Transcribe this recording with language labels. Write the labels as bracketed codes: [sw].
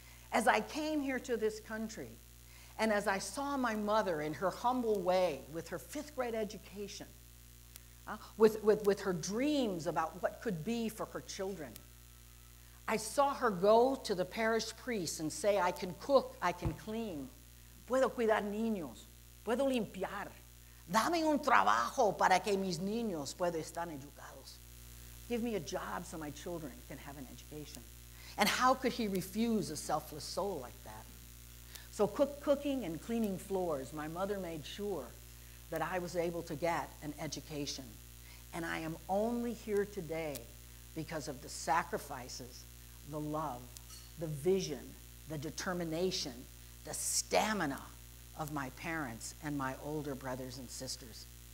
[en] As I came here to this country, and as I saw my mother in her humble way, with her fifth grade education, with her dreams about what could be for her children, I saw her go to the parish priest and say, I can cook, I can clean, [es] puedo cuidar niños, puedo limpiar, Dame un trabajo para que mis niños puedan estar educados. [en] Give me a job so my children can have an education. And how could he refuse a selfless soul like that? So cooking and cleaning floors, my mother made sure that I was able to get an education. And I am only here today because of the sacrifices, the love, the vision, the determination, the stamina of my parents and my older brothers and sisters.